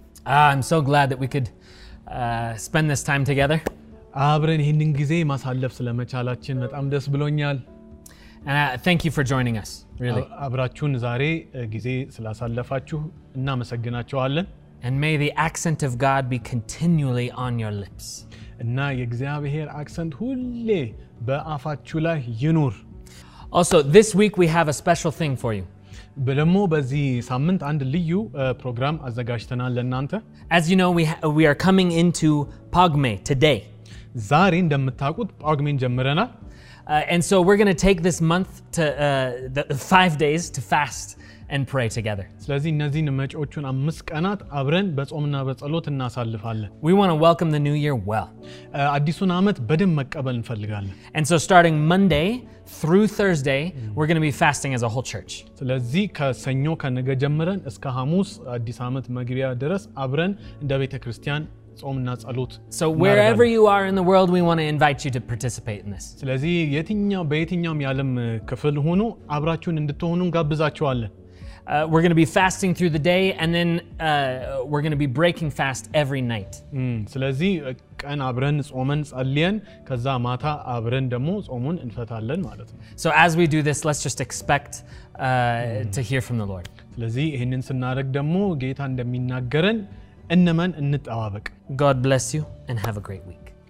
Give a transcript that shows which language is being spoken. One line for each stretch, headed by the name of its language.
English: I'm so glad that we could spend this time together.
Amharic: አብረን ይህንን ጊዜ ማሳለፍ ስለመቻላችን በጣም ደስ ብሎኛል.
English: Thank you for joining us. Really.
Amharic: አብራችሁን ዛሬ ጊዜ ስላሳለፋችሁ እናመሰግናችኋለን.
English: And may the accent of God be continually on your lips.
Amharic: እና የእግዚአብሔር አክሰንት ሁሌ በአፋችሁ ላይ ይኑር.
English: Also, this week we have a special thing for you.
Amharic: በለሞ በዚህ ሳምንት አንድ ልዩ ፕሮግራም አዘጋጅተናል ለእናንተ.
English: As you know, we are coming into Pagme today.
Amharic: ዛሬ እንደምታውቁት ጳጉሜን ጀምረናል.
English: And so we're going to take this month to the 5 days to fast and pray together.
Amharic: ስለዚህ እነዚህን መጪዎቹን 5 ቀናት አብረን በጾምና በጸሎት እናሳልፋለን.
English: We want to welcome the new year well.
Amharic: አዲሱን አመት በደም መቀበል እንፈልጋለን.
English: And so starting Monday through Thursday, we're going to be fasting as a whole church.
Amharic: ስለዚህ ከሰኞ ከነገ ጀምረን እስከ ሐሙስ አዲስ አመት መግቢያ ድረስ አብረን እንደ ቤተክርስቲያን ጾምና ጸሎት
English: So wherever you are in the world we want to invite you to participate in this
Amharic: ስለዚህ የትኛው በየትኛው ዓለም ክፍል ሆኖ አብራችሁን እንድትሆኑ ጋብዛችኋለሁ
English: We're going to be fasting through the day and then we're going to be breaking fast every night.
Amharic: ስለዚህ ቀን አብረን ጾመን ጸልየን ከዛ ማታ አብረን ደሞ ጾሙን እንፈታለን ማለት ነው።
English: So as we do this let's just expect to hear from the Lord.
Amharic: ስለዚህ ይሄንን ስናደርግ ደሞ ጌታ እንደሚናገረን እንመን እንጠባበቅ።
English: God bless you and have a great week.